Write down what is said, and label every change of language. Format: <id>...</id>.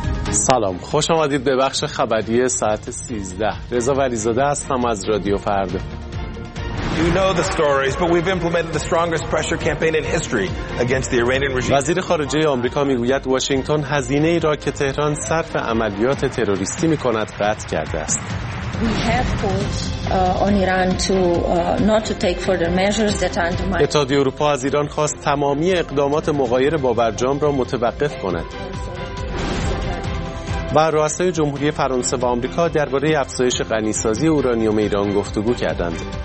<fa>سلام، خوش آمدید به بخش خبری ساعت 13. رضا ولی‌زاده هستم از رادیو فردا.</fa> <en>You know the stories, but we've implemented the strongest pressure campaign in history against the Iranian regime.</en> <fa>وزیر خارجه آمریکا میگوید واشنگتن هزینه‌ای را که تهران صرف عملیات تروریستی می‌کند قطع کرده است.</fa> <en>We have called on Iran to not to take further measures that undermine.</en> <fa>اتحادیه اروپا از ایران خواست تمامی اقدامات مغایر با برجام را متوقف کند. و رؤسای جمهوری فرانسه و آمریکا درباره افزایش غنی‌سازی اورانیوم ایران گفتگو کردند.</fa>